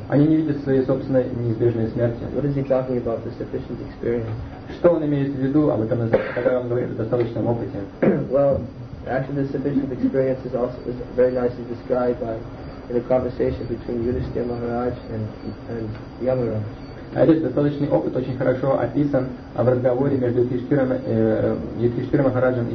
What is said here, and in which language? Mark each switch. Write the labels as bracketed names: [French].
[Russian] Они не видят своей собственной неизбежной смерти. [English] What is he talking about, the sufficient experience? [Russian] Что он имеет в виду об этом, когда он говорит о достаточном опыте? [English] Well, actually, the sufficient experience is also is very nicely described by in a conversation between Yudhishthira Maharaj and Yamaraj. [Russian] А этот достаточный опыт очень хорошо описан в разговоре между Юдхиштхирой Махараджем и